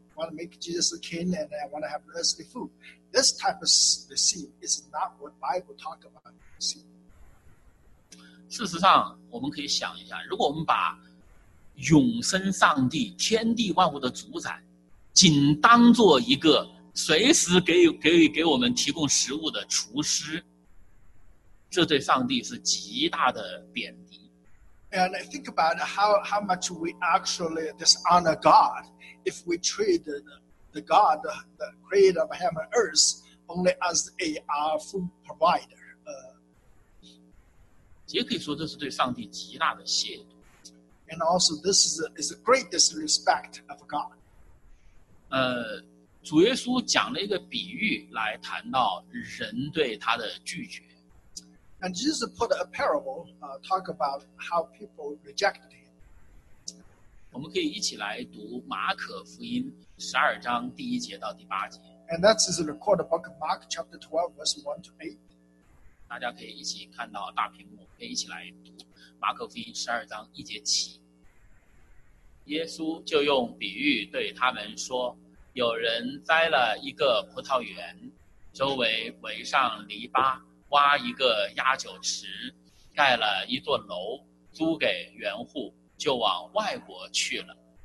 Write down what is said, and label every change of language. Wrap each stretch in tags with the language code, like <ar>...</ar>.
<en>want to make Jesus a king and I want to have earthly food. This type of the sin is not what Bible talk about.</en> <zh>事实上，我们可以想一下，如果我们把永生上帝、天地万物的主宰，仅当作一个随时给我们提供食物的厨师，这对上帝是极大的贬低。</zh> <en>And I think about how much we actually dishonor God if we treat the God, the creator of heaven and earth, only as our food provider.</en> <zh>也可以说这是对上帝极大的亵渎。</zh> <en>And also this is the greatest respect of God.</en> <zh>主耶稣讲了一个比喻来谈到人对他的拒绝。</zh> <en>And Jesus put a parable, talk about how people rejected him.</en> <zh>我们可以一起来读马可福音十二章第一节到第八节。</zh> <en>And that is recorded book of Mark chapter 12, verse 1 to 8.</en> <zh>大家可以一起看到大屏幕，可以一起来读马可福音十二章一节起。耶稣就用比喻对他们说，有人栽了一个葡萄园，周围围上篱笆，挖一个压酒池，盖了一座楼，租给园户，就往外国去了。</zh>